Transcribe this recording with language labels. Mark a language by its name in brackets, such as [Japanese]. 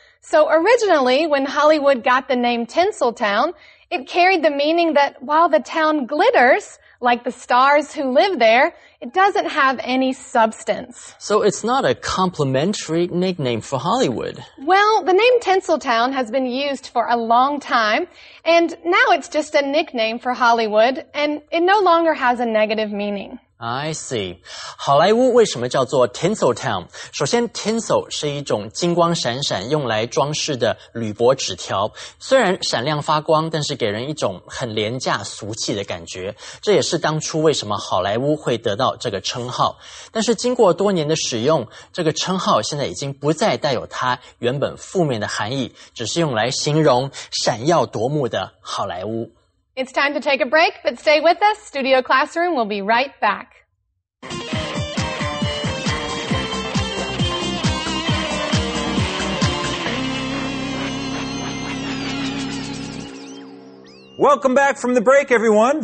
[English] So originally, when Hollywood got the name Tinseltown, it carried the meaning that while the town glitters, like the stars who live there, it doesn't have any substance. So it's not a complimentary nickname for Hollywood. Well, the name Tinseltown has been used for a long time, and now it's just a nickname for Hollywood, and it no longer has a negative meaning. I see. [Chinese] 好莱坞为什么叫做 Tinsel Town? 首先 Tinsel 是一种金光闪闪用来装饰的铝箔纸条，虽然闪亮发光，但是给人一种很廉价俗气的感觉，这也是当初为什么好莱坞会得到这个称号。但是经过多年的使用，这个称号现在已经不再带有它原本负面的含义，只是用来形容闪耀夺目的好莱坞。 [English] It's time to take a break, but stay with us. Studio Classroom will be right back. Welcome back from the break, everyone.